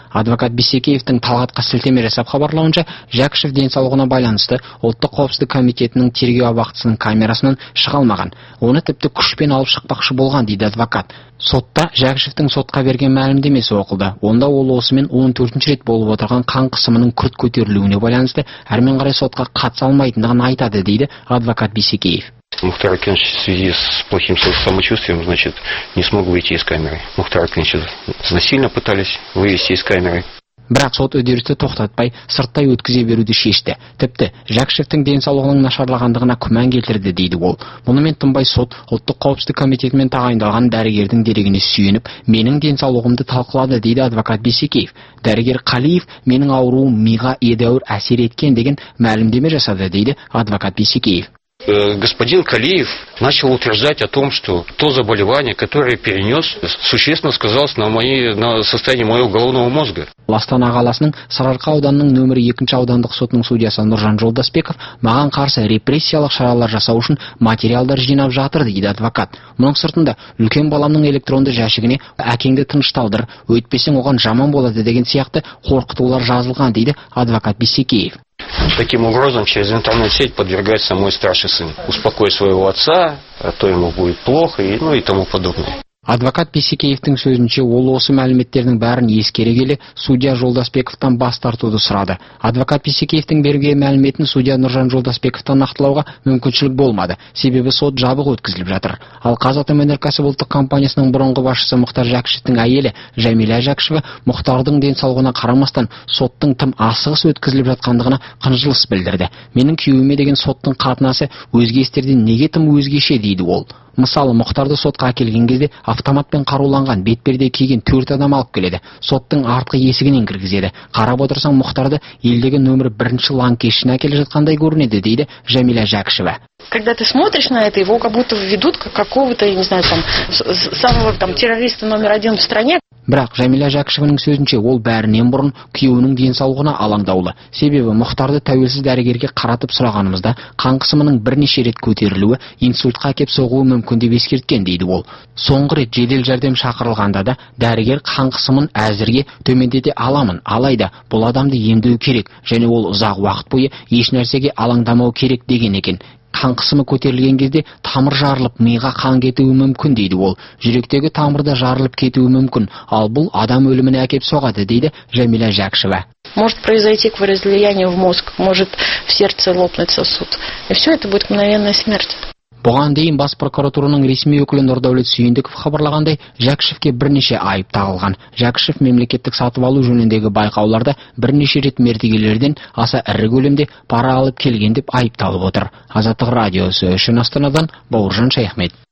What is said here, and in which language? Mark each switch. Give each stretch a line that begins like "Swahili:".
Kazakh: Адвокат Бейсекеевтің Талғатқа сілтеме жасап хабарлауынша, Жәкішев денсаулығына байланысты ұлттық қауіпсіздік комитетінің тергеу абақтысының камерасынан шыға алмаған. Оны тіпті күшпен алып шықпақшы болған, дейді адвокат. Сотта Жәкішевтің сотқа берген мәлімдемесі оқылды. Онда ол осымен 14-ші рет болып отырған қан қысымының күрт көтерілуіне байланысты әрмен қарай сотқа қатыса алмайтындығын айтады, дейді адвокат Бейсекеев.
Russian: Мухтар Акинович в связи с плохим самочувствием, значит, не смог выйти из камеры. Мухтар Акинович насильно пытались вывести из камеры.
Kazakh: Бірақ сот үдерісті тоқтатпай, сырттай өткізе беруді шешті. Тіпті Жәкішевтің денсаулығының нашарлағандығына күмән келтірді, дейді ол. Мұнымен тынбай сот ұлттық қауіпсіздік комитетімен тағайындалған дәрігердің дерегіне сүйеніп, менің денсаулығымды талқылады, дейді адвокат Бейсекеев. Дәрігер Қалиев менің ауруым миға едәуір әсер еткен деген мәлімдеме жасады, дейді адвокат Бейсекеев.
Russian: Господин Калиев начал утверждать о том, что то заболевание, которое перенес, существенно сказалось на состоянии моего головного мозга.
Kazakh: Астана қаласының Сарыарқа ауданының нөмірі 2-ші аудандық сотының судьясы Нұржан Жолдасбеков маған қарсы репрессиялық шаралар жасау үшін материалдар жинап жатыр, дейді адвокат. Мұның сыртында үлкен баламның электронды жәшігіне әкеңді тынышталдыр, өйтпесең оған жаман болады деген сияқты қорқытулар жазылған, дейді адвокат Бейсекеев.
Russian: таким образом через интернет-сеть подвергать самой старший сын. Успокой своего отца, а то ему будет плохо и, ну, и тому подобное.
Kazakh: Адвокат Бейсекеевтің сөзінше, ол осы мәліметтердің бәрін ескере келе, судья Жолдасбековтан бас тартуды сұрады. Адвокат Бейсекеевтің берген мәліметін судья Нұржан Жолдасбековтан нақтылауға мүмкіншілік болмады, себебі сот жабық өткізіліп жатыр. Ал Қазатомөнеркәсіп ұлттық компаниясының бұрынғы басшысы Мұхтар Жәкішевтің әйелі Жәмила Жәкішева Мұхтардың денсаулығына қарамастан соттың тым асығыс өткізіліп жатқандығына қынжылыс білдірді. Менің күйеуіме деген соттың қатынасы өзге істерден неге тым өзгеше, дейді ол. Мысалы, Мұхтарды сотқа келген кезде автоматпен қаруланған бетперде киген төрт адам алып келеді. Соттың артқы есігінен кіргізеді. Қарап отырсаң, Мұхтарды елдегі нөмір бірінші ланкешіне келе жатқандай көрінеді, дейді Жәмила Жәкішева.
Russian: Когда ты смотришь на это, его как будто ведут как какого-то, я не знаю, там самого там террориста номер один в стране.
Kazakh: Бірақ Жәмила Жәкішеваның сөзінше, ол бәрінен бұрын күйеуінің денсаулығына алаңдаулы. Себебі Мұхтарды тәуелсіз дәрігерге қаратып сұрағанымызда қан қысымының бірнеше рет көтерілуі инсультқа әкеп соғуы мүмкін деп ескерткен, дейді ол. Соңғы рет жедел жәрдем шақырылғанда да дәрігер қан қысымын әзірге төмендете аламын, алайда бұл адамды емдеу керек және ол ұзақ уақыт бойы еш нәрсеге алаңдамау керек деген екен. Қан қысымы көтерілген кезде тамыр жарылып, миға қан кетуі мүмкін, дейді ол. Жүректегі тамыр да жарылып кетуі мүмкін, ал бұл адам өліміне әкеп соғады, дейді Жәмила Жәкішева.
Russian: Может произойти кровоизлияние в мозг, может в сердце лопнуть сосуд. И все это будет мгновенная смерть.
Kazakh: Бұған дейін бас прокуратураның ресми өкілі Нұрдәулет Сүйіндіков хабарлағандай, Жәкішевке бірнеше айып тағылған. Жәкішев мемлекеттік сатып алу жөніндегі байқауларда бірнеше рет мердігерлерден аса ірі көлемде пара алып келген деп айыпталып отыр. Азаттық радиосы үшін Астанадан Бауыржан Шайхмет.